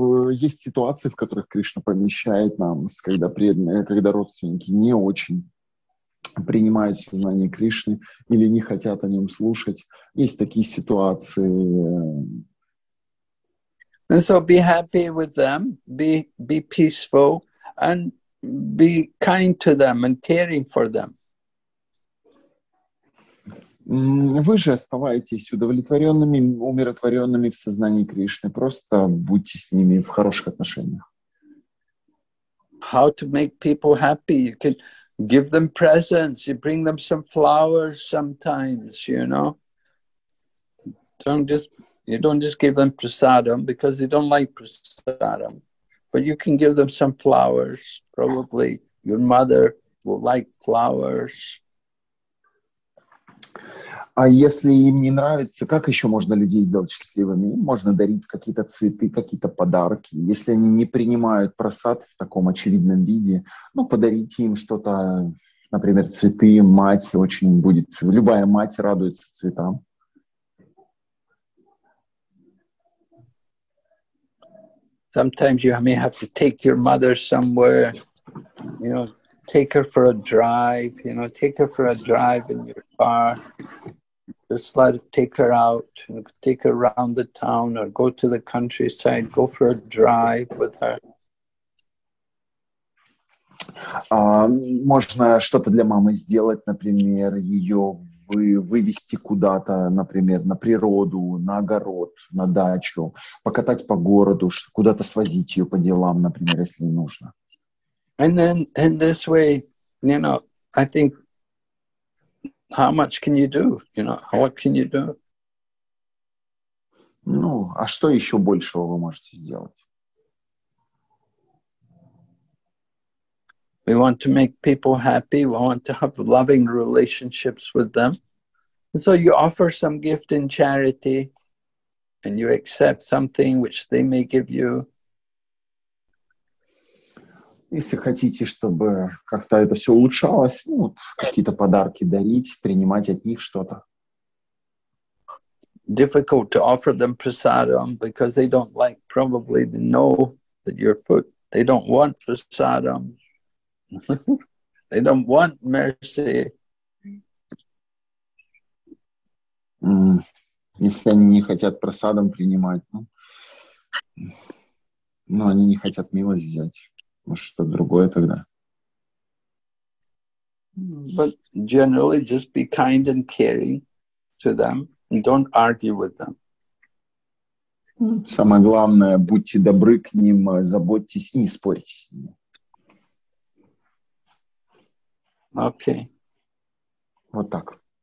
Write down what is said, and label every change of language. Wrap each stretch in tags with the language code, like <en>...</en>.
<ru>есть ситуации, в которых Кришна помещает нас, когда преданные, когда родственники не очень принимают сознание Кришны или не хотят о нем слушать. Есть такие ситуации.</ru> <en>So be happy with them, be peaceful, and be kind to them and caring for them.</en> <ru>Вы же оставайтесь удовлетворенными, умиротворенными в сознании Кришны. Просто будьте с ними в хороших отношениях.</ru> <en>How to make people happy? You can give them presents, you bring them some flowers sometimes, you know. You don't just give them prasadam because they don't like prasadam. But you can give them some flowers. Probably your mother will like flowers.</en> <ru>А если им не нравится, как еще можно людей сделать счастливыми? Можно дарить какие-то цветы, какие-то подарки. Если они не принимают просад в таком очевидном виде, ну, подарите им что-то, например, цветы, мать очень будет. Любая мать радуется цветам.</ru> <en>Sometimes you may have to take your mother somewhere, you know, take her for a drive, you know, take her for a drive in your car. Just let her take her out, take her around the town or go to the countryside, go for a drive with her.</en> <ru>Можно что-то для мамы сделать, например, ее вывести куда-то, например, на природу, на огород, на дачу, покатать по городу, куда-то свозить ее по делам, например, если нужно.</ru> <en>And then in this way, you know, I think, how much can you do? You know, what can you do?</en> <ru>Ну, а что еще большего вы можете сделать?</ru> <en>We want to make people happy. We want to have loving relationships with them. And so you offer some gift in charity and you accept something which they may give you.</en> <ru>Если хотите, чтобы как-то это все улучшалось, ну, вот какие-то подарки дарить, принимать от них что-то.</ru> <en>Difficult to offer them prasadam because they don't like, probably they know that your food, they don't want prasadam. They don't want mercy.</en> <ru>Если они не хотят прасадам принимать, ну, они не хотят милость взять. Может, что-то другое тогда.</ru> <en>But generally just be kind and caring to them and don't argue with them.</en> <ru>Самое главное, будьте добры к ним, заботьтесь и не спорьте с ними.</ru> <en>Okay.</en> <ru>Вот так.</ru>